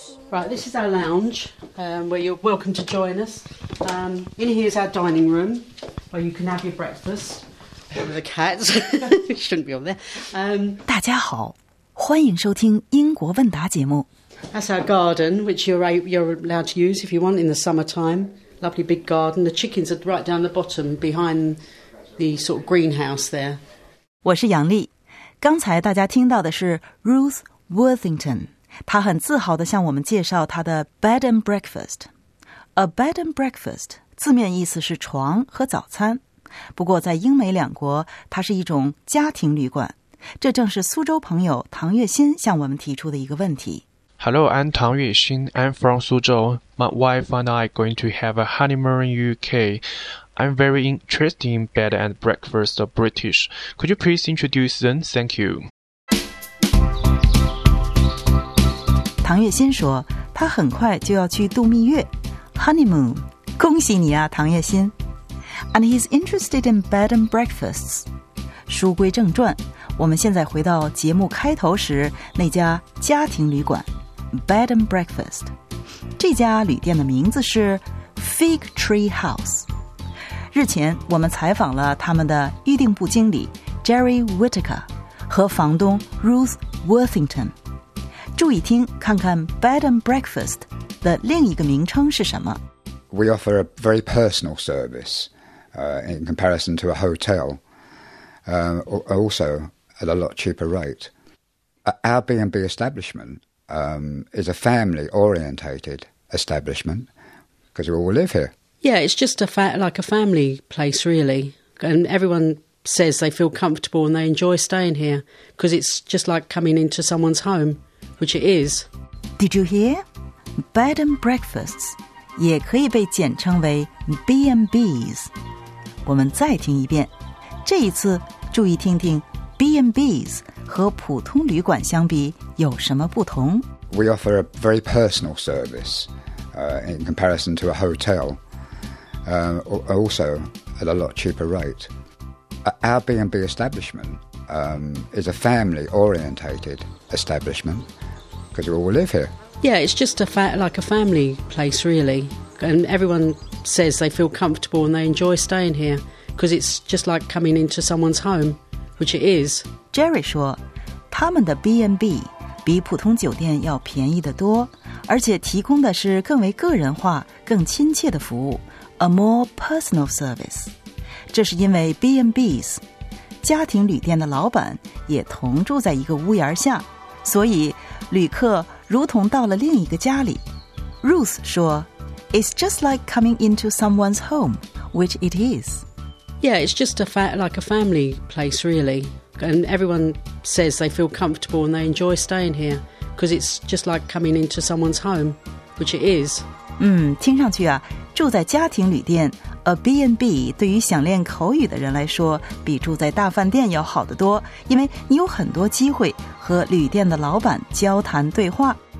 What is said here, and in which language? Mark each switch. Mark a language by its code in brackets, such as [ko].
[en] Right, this is our lounge, where you're welcome to join us. In here is our dining room, where you can have your breakfast. One of the cats shouldn't be on there. [zh] 大家好，欢迎收听英国问答节目。 [en] That's our garden, which you're allowed to use if you want in the summertime. Lovely big garden. The chickens are right down the bottom behind the sort of greenhouse there. [zh] 我是杨丽，刚才大家听到的是 Ruth Worthington。他很自豪地向我们介绍他的 bed and breakfast. A bed and breakfast 字面意思是床和早餐，不过在英美两国它是一种家庭旅馆。这正是苏州朋友唐月新向我们提出的一个问题。 [en] Hello, I'm 唐月新. I'm from 苏州.My wife and I are going to have a honeymoon in UK. I'm very interested in bed and breakfast of British. Could you please introduce them? Thank you. [zh] 唐月新说他很快就要去度蜜月 Honeymoon 恭喜你啊唐月新 [en] And he's interested in bed and breakfasts [zh] 书归正传我们现在回到节目开头时那家家庭旅馆 Bed and Breakfast 这家旅店的名字是 Fig Tree House 日前我们采访了他们的预订部经理 Jerry Whittaker 和房东 Ruth Worthington注意听，看看 bed and breakfast 的另一个名称是什么。 [en] We offer a very personal service, in comparison to a hotel, also at a lot cheaper rate. Our B&B establishment, is a family orientated establishment because we all live here. Yeah, it's just like a family place, really. And everyone says they feel comfortable and they enjoy staying here because it's just like coming into someone's home. Which it is. Did you hear? [zh] Bed and breakfasts 也可以被简称为 B&Bs. 我们再听一遍。这一次注意听听 B&Bs 和普通旅馆相比有什么不同。 [en] We offer a very personal service, in comparison to a hotel, also at a lot cheaper rate. Our B&B establishment, is a family-orientated establishment. Because we all live here. Yeah, it's just like a family place, really. And everyone says they feel comfortable and they enjoy staying here because it's just like coming into someone's home, which it is. [zh] Jerry 说，他们的 B&B 比普通酒店要便宜得多，而且提供的是更为个人化、更亲切的服务 ， [en] a more personal service. [zh] 这是因为 B&Bs 家庭旅店的老板也同住在一个屋檐下。所以旅客如同到了另一个家里。 [en] Ruth [zh] 说 [en] It's just like coming into someone's home, which it is. Yeah, it's just like a family place, really. And everyone says they feel comfortable and they enjoy staying here, because it's just like coming into someone's home, which it is. [zh] 听上去啊，住在家庭旅店 a B&B 对于想练口语的人来说比住在大饭店要好得多，因为你有很多机会和旅店的老板交谈对话。